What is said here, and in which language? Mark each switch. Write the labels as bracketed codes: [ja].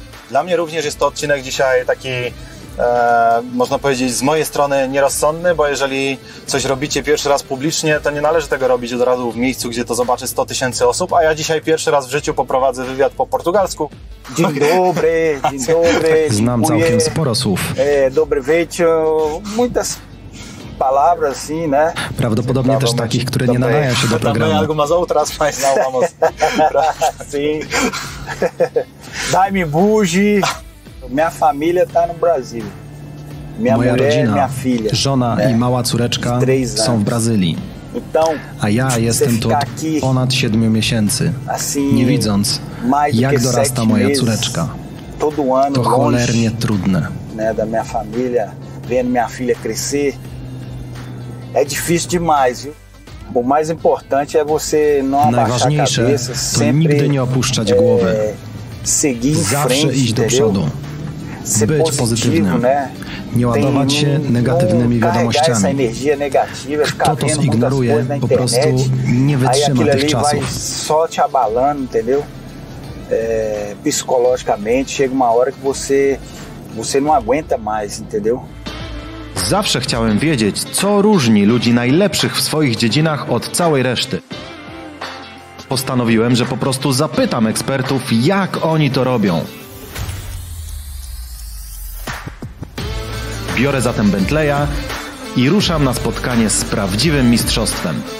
[pl] Dla mnie również jest to odcinek dzisiaj taki, można powiedzieć, z mojej strony nierozsądny, bo jeżeli coś robicie pierwszy raz publicznie, to nie należy tego robić od razu w miejscu, gdzie to zobaczy 100 tysięcy osób, a ja dzisiaj pierwszy raz w życiu poprowadzę wywiad po portugalsku. Dzień dobry, znam całkiem sporo słów. Dobry wieczór, [pt] muitas palavras, sim, né? [pl] Prawdopodobnie też takich, które nie nadają się do programu. [pt] Algo mais outras, mas não vamos. Sim. Daj-me buzi. Minha família está no Brasil. [pl] Moja rodzina, [pt] minha filha, [pl] żona, né? I mała córeczka są w Brazylii. Então, a ja jestem tu aqui, ponad 7 miesięcy, assim, nie widząc, jak dorasta moja córeczka. [pt] Todo ano, [pl] to cholernie longe, trudne. [pt] Né, da minha família, vendo minha filha crescer. É difícil demais, viu? O mais importante é você não abaixar a cabeça, sempre [pl] nigdy nie opuszczać głowy. [pt] Seguir em [pl] frente, iść do przodu. [pt] Ser [pl] być pozytywnym, né? Nie ładować się negatywnymi wiadomościami. Kto to zignoruje, po prostu nie wytrzyma tych czasów. [pt] Só te abalando, entendeu? Psicologicamente, chega uma hora que você não aguenta mais, entendeu? [pl] Zawsze chciałem wiedzieć, co różni ludzi najlepszych w swoich dziedzinach od całej reszty. Postanowiłem, że po prostu zapytam ekspertów, jak oni to robią. Biorę zatem Bentleya i ruszam na spotkanie z prawdziwym mistrzostwem.